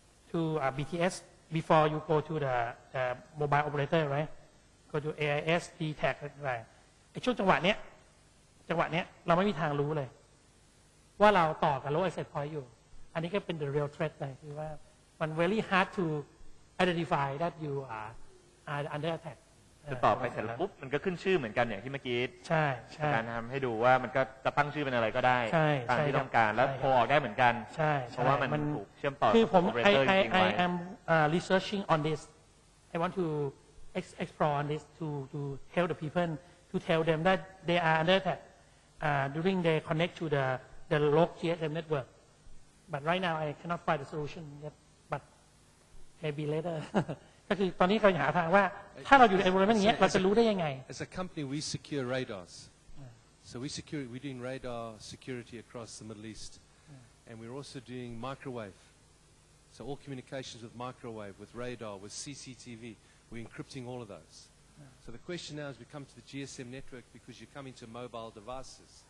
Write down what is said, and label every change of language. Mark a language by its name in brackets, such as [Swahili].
[English] to BTS before you go to the mobile operator right go to AIS DTAC [Thai] อะไรไอ้ช่วงจังหวะเนี้ยเราไม่มีทางรู้เลยว่าเราต่อกับ [English] rock access point [Thai] อยู่อันนี้ก็เป็น [English] the real threat [Thai] เลยคือว่ามัน [English] very hard to identify that you are under attack [Thai] จะตอบไปเสร็จแล้วปุ๊บมันก็ขึ้นชื่อเหมือนกันอย่างที่เมื่อกี้ ใช่ การทำให้ดูว่ามันก็จะตั้งชื่อเป็นอะไรก็ได้ ตามที่ต้องการแล้วโทรออกได้เหมือนกัน ใช่ เพราะว่ามันถูกเชื่อมต่อ คือผม [English] I am researching on this I want to explore on this to help the people to tell them that they are under attack during they connect to the local network but right now I cannot find the solution yetMaybe later. [Thai] ก็คือตอนนี้เขาหาทางว่าถ้าเราอยู่ในบริเวณนี้เราจะรู้ได้ยังไง [English] As a company, we secure radars. So we're doing radar security across the Middle East, and we're also doing microwave. So all communications with microwave, with radar, with CCTV, we're encrypting all of those. So the question now is, we come to the GSM network because you're coming to mobile devices.